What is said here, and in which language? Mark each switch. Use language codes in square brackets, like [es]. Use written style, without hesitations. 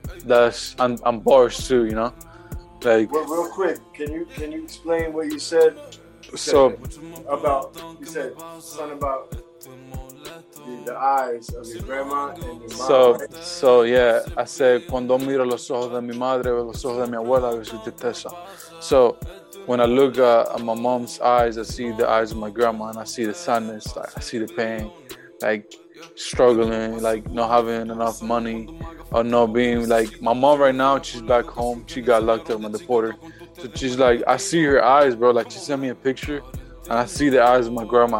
[en] That's, I'm bars too, you know? Like, real quick, can you explain what you said? So about, you said something about the eyes of your grandma and your so, mom. So yeah, I said [es] cuando miro los ojos de mi madre, veo los ojos de mi abuela, veo su tristeza. [en] So when I look at my mom's eyes, I see the eyes of my grandma, and I see the sadness, like, I see the pain, like struggling, like not having enough money. Or not being like my mom right now, she's back home. She got locked up on the border. So she's like, I see her eyes, bro. Like she sent me a picture and I see the eyes of my grandma.